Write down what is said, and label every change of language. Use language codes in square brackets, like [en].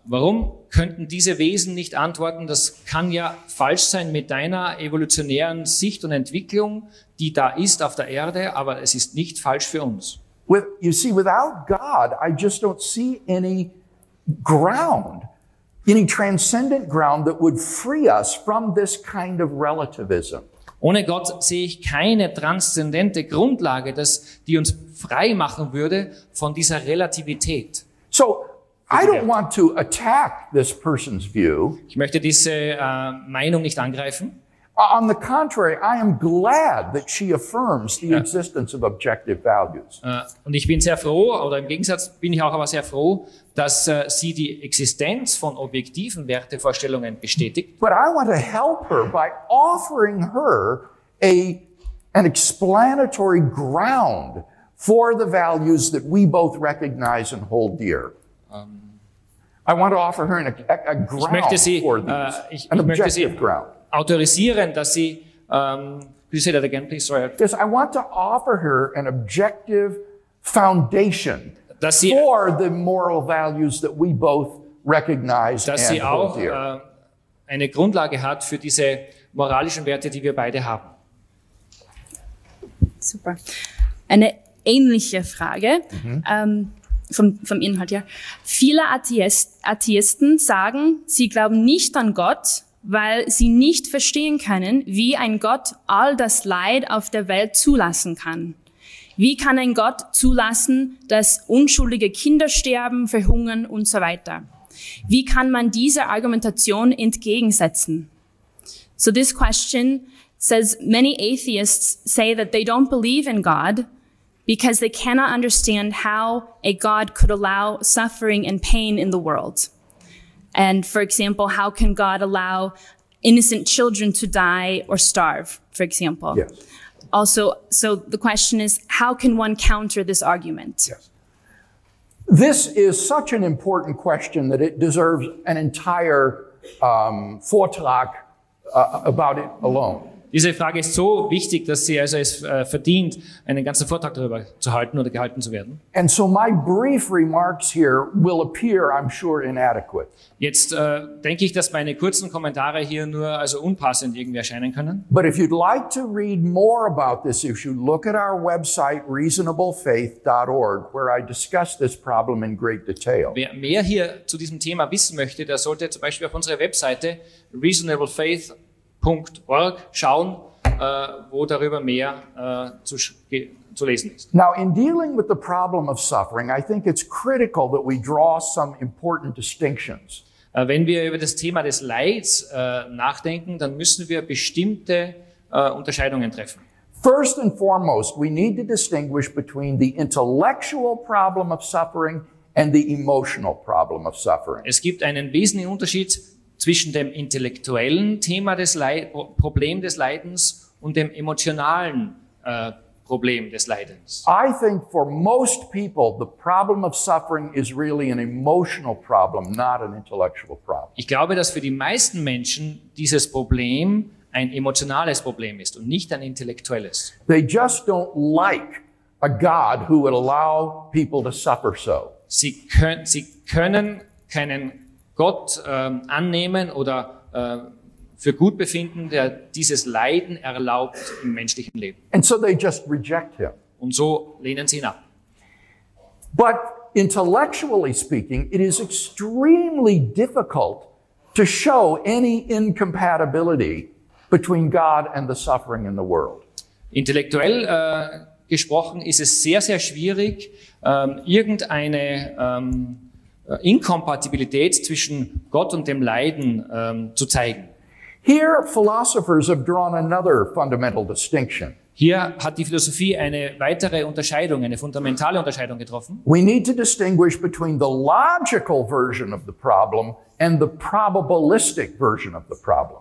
[de] Warum könnten diese Wesen nicht antworten, das kann ja falsch sein mit deiner evolutionären Sicht und Entwicklung, die da ist auf der Erde, aber es ist nicht falsch für uns. [en] You see, without God, I just don't see any ground, any transcendent ground that would free us from this kind of relativism. [de] Ohne Gott sehe ich keine transzendente Grundlage, die uns frei machen würde von dieser Relativität. [en] So, I don't want to attack this person's view. [de] Ich möchte diese Meinung nicht angreifen. [en] On the contrary, I am glad that she affirms the existence of objective values. [de] Und ich bin sehr froh, oder im Gegensatz bin ich auch aber sehr froh, dass sie die Existenz von objektiven Wertevorstellungen bestätigt. [en] But I want to help her by offering her an explanatory ground for the values that we both recognize and hold dear. I want to offer her a ground objective ground. [de] Autorisieren, dass sie, [en] could you say that again, please? Sorry. Yes, I want to offer her an objective foundation for the moral values that we both recognize and hold dear. [de] Dass sie auch eine Grundlage hat für diese moralischen Werte, die wir beide haben. Super. Eine ähnliche Frage, vom Inhalt her. Viele Atheisten sagen, sie glauben nicht an Gott, weil sie nicht verstehen können, wie ein Gott all das Leid auf der Welt zulassen kann. Wie kann ein Gott zulassen, dass unschuldige Kinder sterben, verhungern und so weiter? Wie kann man dieser Argumentation entgegensetzen? [en] So this question says many atheists say that they don't believe in God because they cannot understand how a God could allow suffering and pain in the world. And for example, how can God allow innocent children to die or starve, for example? Yes. Also, so the question is, how can one counter this argument? Yes. This is such an important question that it deserves an entire Vortrag about it alone. [de] Diese Frage ist so wichtig, dass sie also es verdient, einen ganzen Vortrag darüber zu halten oder gehalten zu werden. [en] And so my brief remarks here will appear, I'm sure, inadequate. [de] Jetzt denke ich, dass meine kurzen Kommentare hier nur also unpassend irgendwie erscheinen können. [en] But if you'd like to read more about this issue, look at our website reasonablefaith.org, where I discuss this problem in great detail. [de] Wer mehr hier zu diesem Thema wissen möchte, der sollte zum Beispiel auf unsere Webseite reasonablefaith.org schauen, wo darüber mehr zu lesen ist. [en] Now, in dealing with the problem of suffering, I think it's critical that we draw some important distinctions. [de] Wenn wir über das Thema des Leids nachdenken, dann müssen wir bestimmte Unterscheidungen treffen. [en] First and foremost, we need to distinguish between the intellectual problem of suffering and the emotional problem of suffering. [de] Es gibt einen wesentlichen Unterschied zwischen dem intellektuellen Thema des Problem des Leidens und dem emotionalen Problem des Leidens. [en] I think for most people the problem of suffering is really an emotional problem, not an intellectual problem. [de] Ich glaube, dass für die meisten Menschen dieses Problem ein emotionales Problem ist und nicht ein intellektuelles. [en] They just don't like a God who would allow people to suffer so. [de] Sie können keinen Gott annehmen oder für gut befinden, der dieses Leiden erlaubt im menschlichen Leben. [en] And so they just reject him. [de] Und so lehnen sie ihn ab. [en] But intellectually speaking, it is extremely difficult to show any incompatibility between God and the suffering in the world. [de] Intellektuell gesprochen ist es sehr, sehr schwierig, irgendeine Inkompatibilität zwischen Gott und dem Leiden zu zeigen. [en] Here philosophers have drawn another fundamental distinction. [de] Hier hat die Philosophie eine weitere Unterscheidung, eine fundamentale Unterscheidung getroffen. [en] We need to distinguish between the logical version of the problem and the probabilistic version of the problem.